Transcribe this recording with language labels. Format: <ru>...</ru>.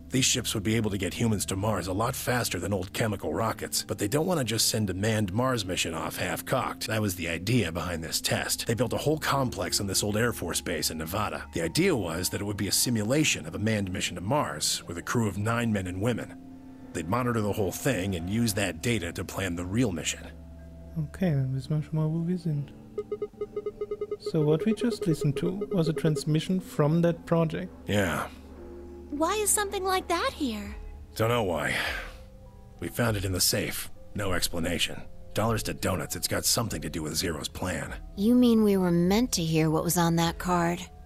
<en>These ships would be able to get humans to Mars a lot faster than old chemical rockets, but they don't want to just send a manned Mars mission off half-cocked. That was the idea behind this test. They built a whole complex on this old Air Force base in Nevada. The idea was that it would be a simulation of a manned mission to Mars with a crew of 9 men and women. They'd monitor the whole thing and use that data to plan the real mission.</en> <de>Okay, dann wissen wir schon mal, wo wir sind.</de> <en>So, what we just listened to was a transmission from that project. Yeah. Why is something like that here? Don't know why. We found it in the safe. No explanation. Dollars to donuts, it's got something to do with Zero's plan. You mean we were meant to hear what was on that card?</en>